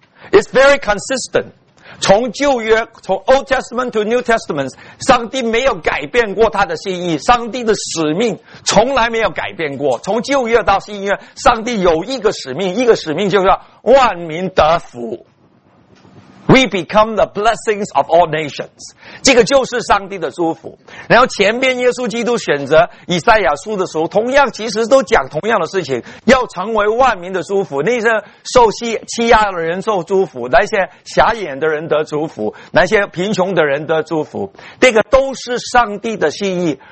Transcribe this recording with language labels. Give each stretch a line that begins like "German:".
English: It's very consistent，
Chinese: 从旧约从
English: Old Testament to New Testament，
Chinese: 上帝没有改变过他的心意，上帝的使命从来没有改变过。从旧约到新约，上帝有一个使命，一个使命就是万民得福。
English: We become the blessings of all nations.
Chinese: 这个就是上帝的祝福。然后前面耶稣基督选择以赛亚书的时候，同样其实都讲同样的事情，要成为万民的祝福，那些受欺压的人受祝福，那些瞎眼的人得祝福，那些贫穷的人得祝福，这个都是上帝的心意。